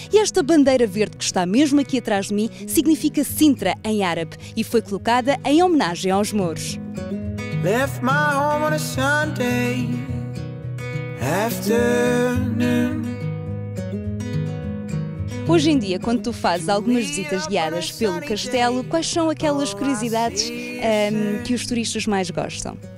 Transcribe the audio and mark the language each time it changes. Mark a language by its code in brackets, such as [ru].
[pt] E esta bandeira verde que está mesmo aqui atrás de mim significa Sintra em árabe e foi colocada em homenagem aos mouros. [en] Left my home on a Sunday afternoon. [pt] Hoje em dia, quando tu fazes algumas visitas guiadas pelo castelo, quais são aquelas curiosidades que os turistas mais gostam?